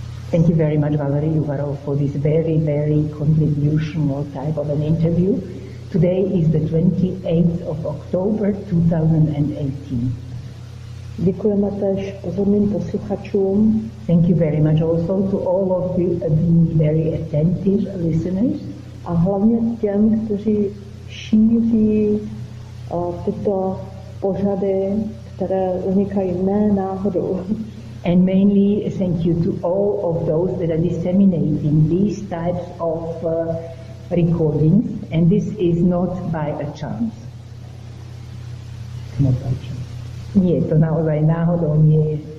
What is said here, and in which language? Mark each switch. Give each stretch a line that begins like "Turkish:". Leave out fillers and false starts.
English: Thank you very much, Valery Uvarov, for this very, very contributional type of an interview. Today is the 28th of October 2018.
Czech: Děkujeme též pozorným posluchačům.
English: Thank you very much also to all of you, the very attentive listeners.
Czech: A hlavně těm, kteří šíří tyto pořady, které vznikají ne náhodou.
English: And mainly thank you to all of those that are disseminating these types of recordings. And this is not by a chance. Not by a chance.
Slovak: Nie, to naozaj náhodou nie je.